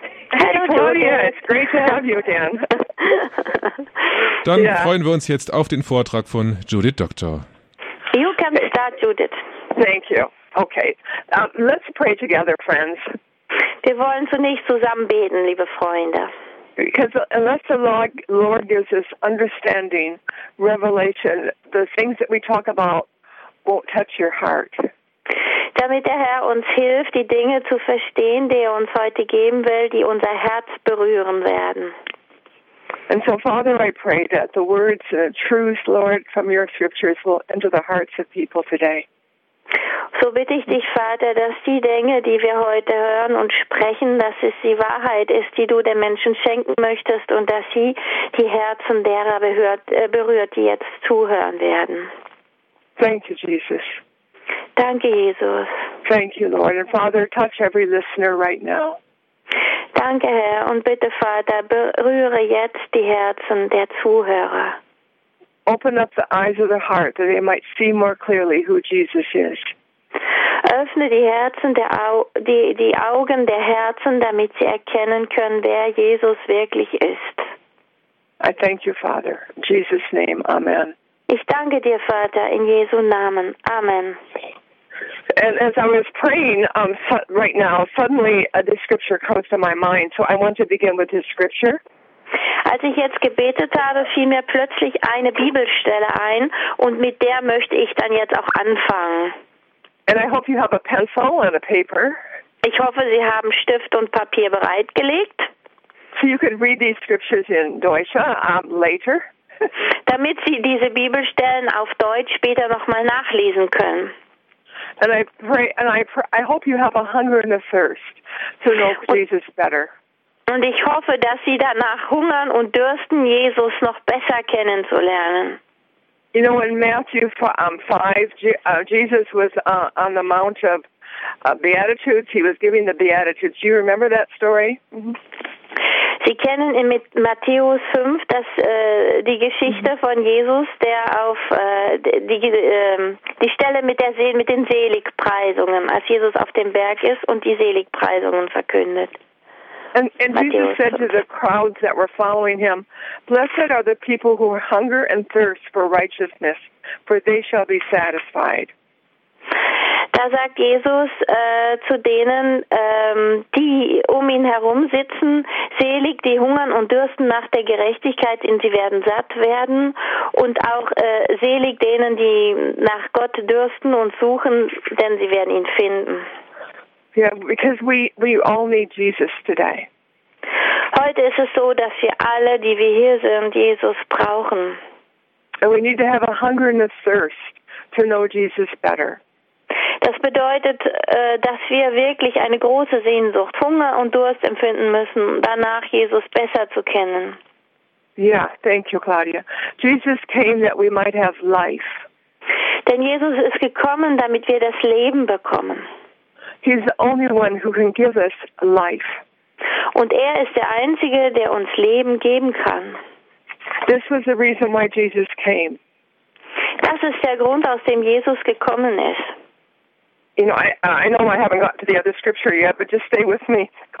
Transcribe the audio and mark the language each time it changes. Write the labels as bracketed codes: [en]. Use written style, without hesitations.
[en] Hey, Claudia, it's great to have you again. [de] Dann freuen wir uns jetzt auf den Vortrag von Judith Doctor. [en] You can start, Judith. Thank you. Okay. Let's pray together, friends. [de] Wir wollen zunächst zusammen beten, liebe Freunde. [en] Because unless the Lord gives us understanding, revelation, the things that we talk about won't touch your heart. [de] Damit der Herr uns hilft, die Dinge zu verstehen, die er uns heute geben will, die unser Herz berühren werden. [en] And so, Father, I pray that the words and the truths, Lord, from your scriptures will enter the hearts of people today. [de] So bitte ich dich, Vater, dass die Dinge, die wir heute hören und sprechen, dass es die Wahrheit ist, die du den Menschen schenken möchtest und dass sie die Herzen derer berührt, die jetzt zuhören werden. [en] Thank you, Jesus. [de] Danke, Jesus. [en] Thank you, Lord. And Father, touch every listener right now. [de] Danke, Herr. Und bitte, Vater, berühre jetzt die Herzen der Zuhörer. [en] Open up the eyes of the heart, that they might see more clearly who Jesus is. [de] Öffne die Herzen der die Augen der Herzen, damit sie erkennen können, wer Jesus wirklich ist. [en] I thank you, Father. In Jesus' name, amen. [de] Ich danke dir, Vater, in Jesu Namen. Amen. [en] And as I was praying right now, suddenly this scripture comes to my mind. So I want to begin with this scripture. [de] Als ich jetzt gebetet habe, fiel mir plötzlich eine Bibelstelle ein und mit der möchte ich dann jetzt auch anfangen. [en] And I hope you have a pencil and a paper. [de] Ich hoffe, Sie haben Stift und Papier bereitgelegt. [en] So you can read these scriptures in Deutsch later. [de] Damit Sie diese Bibelstellen auf Deutsch später nochmal nachlesen können. [en] And I pray, and I hope you have a hunger and a thirst to know Jesus better. [de] Und ich hoffe, dass Sie danach hungern und dürsten, Jesus noch besser kennenzulernen. [en] You know, in Matthew 5, Jesus was on the Mount of Beatitudes. He was giving the Beatitudes. Do you remember that story? [de] Sie kennen in Matthäus 5 die Geschichte von Jesus, der auf die Stelle mit den Seligpreisungen, als Jesus auf dem Berg ist und die Seligpreisungen verkündet. [en] And Jesus said to the crowds that were following him, "Blessed are the people who hunger and thirst for righteousness, for they shall be satisfied." [de] Da sagt Jesus zu denen, die um ihn herum sitzen, selig, die hungern und dürsten nach der Gerechtigkeit, denn sie werden satt werden. Und auch selig denen, die nach Gott dürsten und suchen, denn sie werden ihn finden. [en] Yeah, because we all need Jesus today. [de] Heute ist es so, dass wir alle, die wir hier sind, Jesus brauchen. [en] And we need to have a hunger and a thirst to know Jesus better. [de] Das bedeutet, dass wir wirklich eine große Sehnsucht, Hunger und Durst empfinden müssen, danach Jesus besser zu kennen. [en] Yeah, thank you, Claudia. Jesus came that we might have life. [de] Denn Jesus ist gekommen, damit wir das Leben bekommen. [en] He's the only one who can give us life. [de] Und er ist der Einzige, der uns Leben geben kann. [en] This was the reason why Jesus came. [de] Das ist der Grund, aus dem Jesus gekommen ist. [en] You know, I know I haven't gotten to the other scripture yet, but just stay with me.